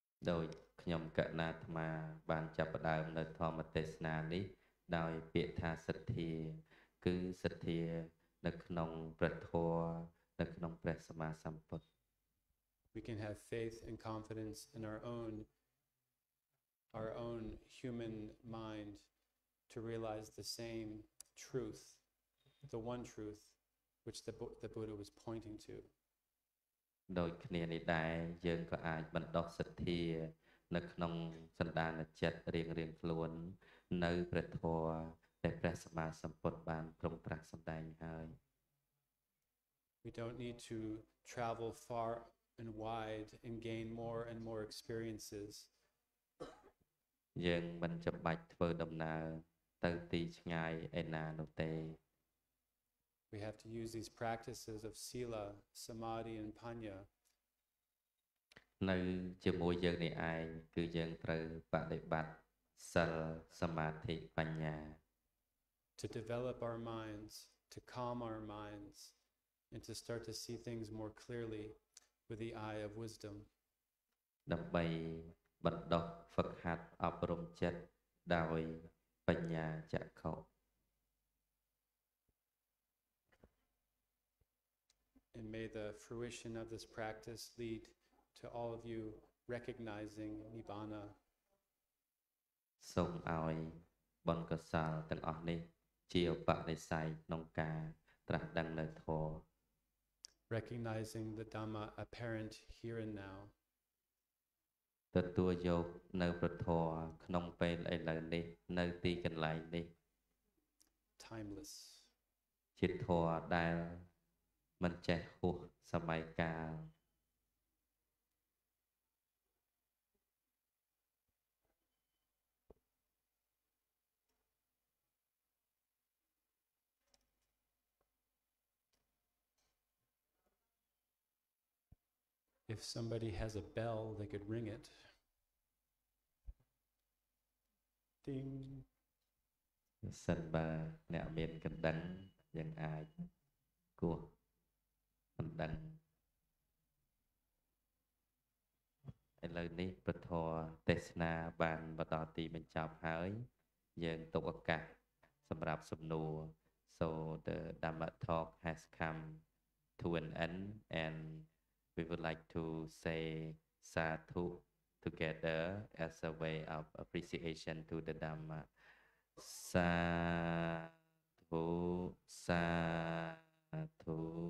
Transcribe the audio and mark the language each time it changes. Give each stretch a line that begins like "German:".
Khmer: ដោយខ្ញុំកណាត្មាបានចាប់ផ្ដើមនៅធម្មទេសនានេះដោយពាក្យថាសទ្ធាគឺសទ្ធានៅក្នុងព្រះធម៌នៅក្នុងព្រះសម្មាសម្ពុទ្ធ
English: We can have faith and confidence in our own human mind to realize the same truth the one truth which the Buddha was pointing to.
Khmer: ដោយគ្នានេះដែរយើងក៏អាចបណ្ដុះសទ្ធានៅក្នុងសន្តានចិត្តរៀងខ្លួននៅព្រះធម៌ដែលព្រះសម្មាសម្ពុទ្ធបានប្រុងប្រាសសម្ដែងហើយ
English: We don't need to travel far and wide and gain more and more experiences
Khmer: យើងមិនចាំបាច់ធ្វើដំណើរទៅទីឆ្ងាយឯណានោះទេ
English: We have to use these practices of sila, samadhi, and panya.
Khmer: នៅជាមួយយើងនេះឯងគឺយើងត្រូវបដិបត្តិសិលសមាធិបញ្ញា
English: To develop our minds, to calm our minds, and to start to see things more clearly with the eye of wisdom.
Khmer: ដើម្បីបណ្ដុះហ្វឹកហាត់អប់រំចិត្តដោយបញ្ញាចក្ខុ
English: And may the fruition of this practice lead to all of you recognizing Nibbana.
Khmer: សូមឲ្យបុណ្យកុសលទាំងអស់នេះជាឧបនិស័យក្នុងការត្រាស់ដឹងនូវធម៌
English: Recognizing the Dhamma apparent here and now.
Khmer: ទទួលយកនូវព្រះធម៌ក្នុងពេលឥឡូវនេះនៅទីកន្លែងនេះ
English: Timeless.
Khmer: ជាធម៌ដែលមិនចេះហួសសម័យកាល
English: If somebody has a bell they could ring it Ding
Khmer: សិនបើអ្នកមានកណ្ដឹងយើងអាចគោះបណ្ដឹង ឥឡូវនេះព្រះធម៌ទេសនាបានបន្តទីបញ្ចប់ហើយយើងទុកឱកាសសម្រាប់សំណួរ
English: So the Dhamma talk has come to an end and we would like to say Sathu together as a way of appreciation to the Dhamma Sathu SathuSathu.